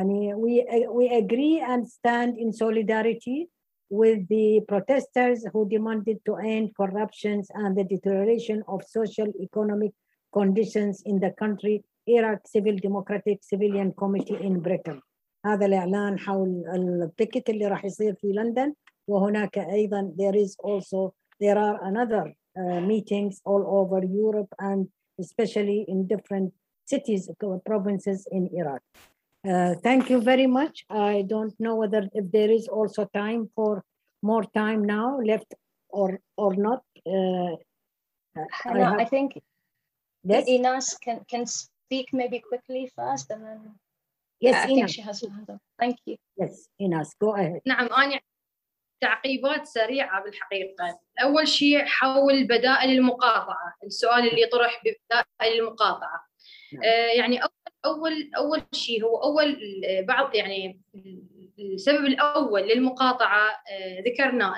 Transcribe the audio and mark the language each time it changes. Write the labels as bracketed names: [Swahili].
[English] يعني we agree and stand in solidarity with the protesters who demanded to end corruptions and the deterioration of social economic conditions in the country, Iraq Civil Democratic Civilian Committee in Britain. [Arabic] هذا الإعلان حول البيكت اللي راح يصير في لندن. وهناك أيضا [English] there are another meetings all over Europe and especially in different cities, provinces in Iraq. Thank you very much. I don't know whether if there is also time for more time now left or not. I think Yes. Inas can speak maybe quickly first and then. Yes, I think she has her hand up. Thank you. Yes, Inas, go ahead. [Arabic] نعم أنا تعقيبات سريعة بالحقيقة. أول شيء حول بدائل المقاطعة. السؤال اللي طرح ببدائل المقاطعة. يعني أول شيء هو أول بعض يعني السبب الأول للمقاطعة ذكرناه.